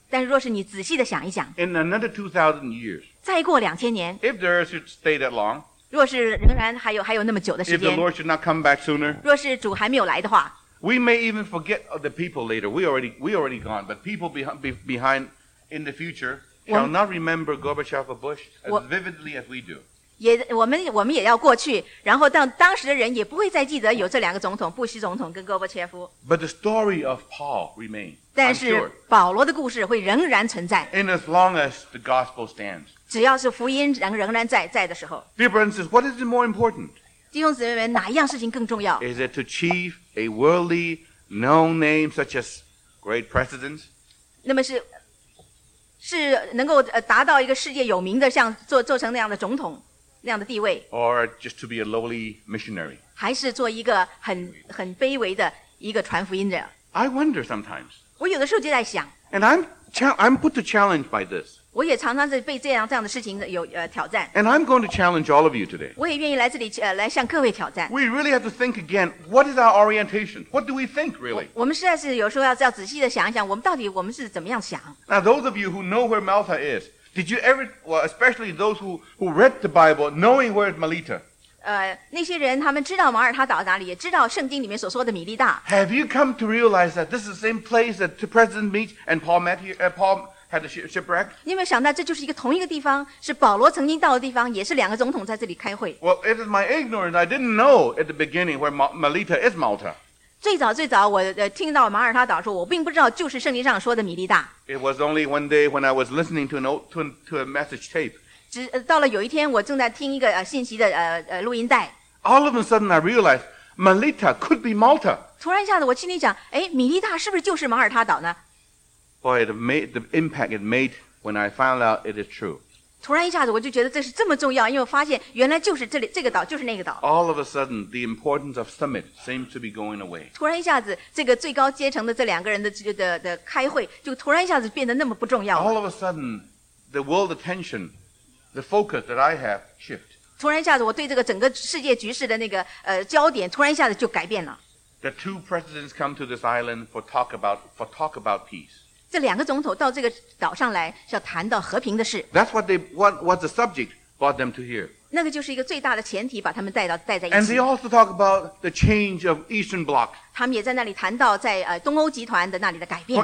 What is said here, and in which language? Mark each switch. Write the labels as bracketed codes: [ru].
[zh] 但是若是你仔细的想一想 [en] ，In another 2,000 years, [zh] 再过2000年 [en] ，If the earth should stay that long, [zh] 若是仍然还有那么久的时间 [en] ，If the Lord should not come back sooner, [zh] 若是主还没有来的话 [en] ，We may even forget the people later. We already gone, but people behind in the future shall not remember Gorbachev or Bush as vividly as we do. [zh] 我们也要过去，然后当时的人也不会再记得有这两个总统，布希总统跟戈伯切夫。 [en] But the story of Paul remains. [zh] 但是保罗的故事会仍然存在。 [en] In as long as the gospel stands. [zh] 只要是福音仍然在的时候。 [en] Dear brothers, what is the more important? [zh] 弟兄姊妹们，哪一样事情更重要 [en] ？Is it to achieve a worldly known name such as great presidents? [zh] 那么是能够达到一个世界有名的，像做成那样的总统。那样的地位 [en] or just to be a lowly missionary. [zh] 还是做一个很卑微的一个传福音者。 [en] I wonder sometimes. [zh] 我有的时候就在想。 [en] And I'm put to challenge by this. [zh] 我也常常是被这样的事情有挑战。 [en] And I'm going to challenge all of you today. [zh] 我也愿意来这里来向各位挑战。 [en] We really have to think again. What is our orientation? What do we think really? [zh] 我们实在是有时候要仔细的想一想，我们到底我们是怎么样想。 [en] Now those of you who know where Malta is. Did you ever, well, especially those who read the Bible, knowing where is Melita? [zh] 那些人他们知道马尔他岛哪里，也知道圣经里面所说的米利大。 [en] Have you come to realize that this is the same place that the president meets and Paul met here? Paul had a shipwreck. [zh] 你有没有想到这就是一个同一个地方，是保罗曾经到的地方，也是两个总统在这里开会。 [en] Well, it is my ignorance. I didn't know at the beginning where Melita is Malta. [zh] 最早最早我听到马耳他岛说我并不知道就是圣经上说的米利大。 [en] It was only one day when I was listening to a message tape. [zh] 直到了有一天我正在听一个信息的录音带。 [en] All of a sudden I realized Melita could be Malta. [zh] 突然一下子我心里想诶米利大是不是就是马耳他岛呢 [en] Boy, the impact it made when I found out it is true. [zh] 突然一下子我就觉得这是这么重要因为我发现原来就是这里这个岛就是那个岛。 [en] All of a sudden, the importance of summit seemed to be going away. [zh] 突然一下子这个最高阶层的这两个人 的开会就突然一下子变得那么不重要了。 [en] All of a sudden, the world attention, the focus that I have shifted. [zh] 突然一下子我对这个整个世界局势的那个焦点突然一下子就改变了。 [en] The two presidents come to this island for talk about peace. [zh] 这两个总统到这个岛上来是要谈到和平的事。 [en] That's what the subject brought them to here. [zh] 那个就是一个最大的前提把他们带在一起。 [en] And they also talk about the change of Eastern Bloc. [zh] 他们也在那里谈到在东欧集团的那里的改变。